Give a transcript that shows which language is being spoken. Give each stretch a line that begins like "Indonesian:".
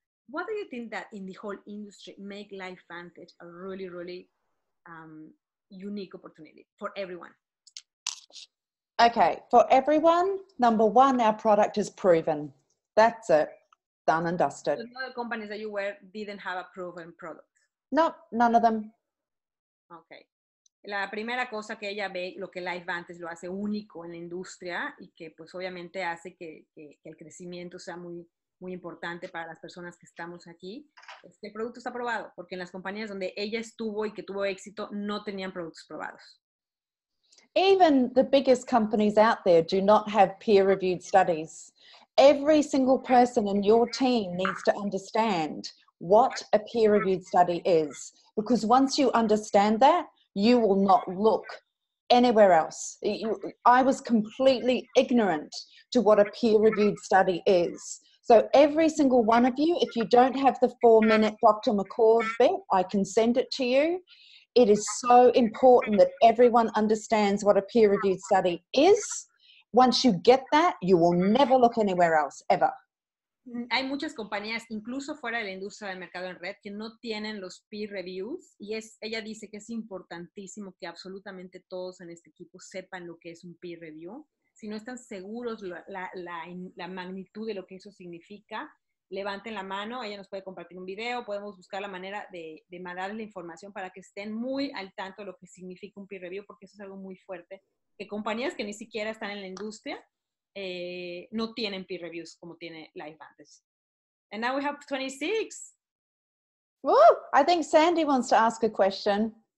English: What do you think that in the whole industry make Lifevantage a really, really unique opportunity for everyone? Okay, for everyone, number one, our product is proven. That's it. Done and dusted. So none of the companies that you were didn't have a proven product? Nope, none of them. Okay.
Spanish: La primera cosa que ella ve, lo que Lifevantage lo hace único en la industria y que pues obviamente hace que el crecimiento sea muy, muy importante para las personas que estamos aquí, es que el producto está probado, porque en las compañías donde ella estuvo y que tuvo éxito, no tenían productos probados.
English: Even the biggest companies out there do not have peer-reviewed studies. Every single person in your team needs to understand what a peer-reviewed study is. Because once you understand that, you will not look anywhere else. I was completely ignorant to what a peer-reviewed study is. So every single one of you, if you don't have the 4-minute Dr. McCord bit, I can send it to you. It is so important that everyone understands what a peer-reviewed study is. Once you get that, you will never look anywhere else, ever.
Spanish: Hay muchas compañías, incluso fuera de la industria del mercado en red, que no tienen los peer reviews. Y es, ella dice que es importantísimo que absolutamente todos en este equipo sepan lo que es un peer review. si no están seguros la magnitud de lo que eso significa, levanten la mano, ella nos puede compartir un video, podemos buscar la manera de mandarle información para que estén muy al tanto de lo que significa un peer review, porque eso es algo muy fuerte. Que compañías que ni siquiera están en la industria no tienen peer reviews como tiene Lifevantage.
English: And now we have 26. Ooh, I think Sandy wants to ask a question.